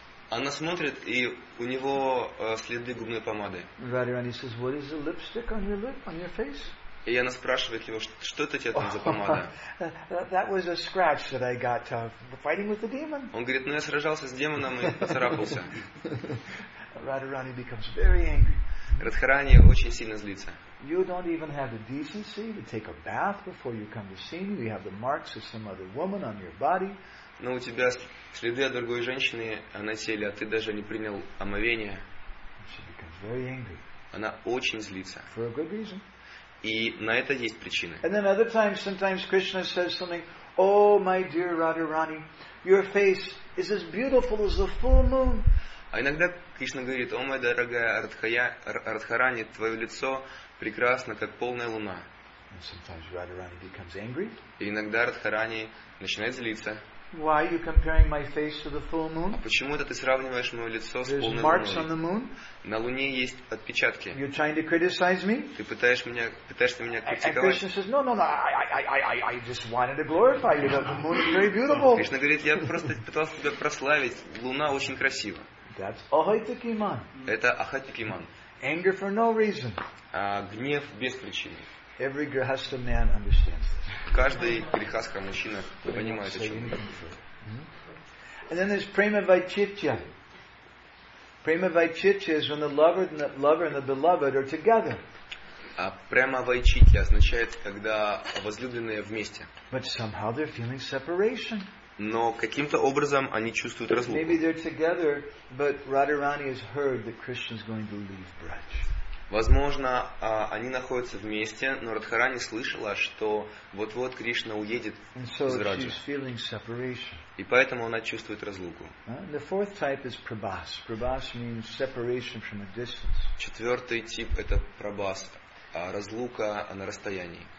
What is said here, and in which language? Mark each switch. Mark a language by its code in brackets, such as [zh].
[ru] Она смотрит, и у него следы губной помады. [en] Радхарани says, what is the lipstick on your lip, on your face? [ru] И она спрашивает его, что это у тебя там за помада? [en] That was a scratch that I got fighting with the demon. [ru] Он говорит, ну я сражался с демоном и поцарапался. [en] Radharani becomes very angry. [ru] Радхарани очень сильно злится. [en] You don't even have the decency to take a bath before you come to see me. You have the marks of some other woman on your body. [ru] Но у тебя следы от другой женщины на теле, а ты даже не принял омовение. [en] She becomes very angry. [ru] Она очень злится. [en] For a good reason. [ru] И на это есть причины. [en] And then other times, sometimes Krishna says something, "Oh, my dear Radharani, your face is as beautiful as the full moon." [ru] А иногда Кришна говорит, "О, моя дорогая Радхарани, твое лицо прекрасно, как полная луна." [en] And sometimes Radharani becomes angry. [ru] И иногда Радхарани начинает злиться. [en] Why are you comparing my face to the full moon? [ru] А почему это ты сравниваешь мое лицо с [en] There's [ru] полной [en] marks [ru] луной? [en] On the moon? [ru] На луне есть отпечатки. [en] You're trying to criticize me? [ru] Ты пытаешься меня критиковать? [en] And Krishna says, no, I just wanted to glorify you. The moon is very beautiful. [ru] Кришна говорит, я просто пытался тебя прославить. Луна очень красива. [en] That's ahoitaki man. [ru] Это ahoitaki man. [en] Anger for no reason. [ru] А гнев без причины. [en] Every grihastha man understands this. [ru] Каждый грихастха мужчина понимает, о чем он говорит. [en] And then there's prema vaichitya. Prema vaichitya is when the lover and the beloved are together. [ru] А prema vaichitya означает, когда возлюбленные вместе. [en] But somehow they're feeling separation. [ru] Но каким-то образом они чувствуют разлуку. [en] Maybe they're together, but Radharani has heard that Krishna's going to leave Braj. [ru] Возможно, они находятся вместе, но Радхарани слышала, что вот-вот Кришна уедет из Враджи. И поэтому она чувствует разлуку. Четвертый тип – это прабас, разлука на расстоянии.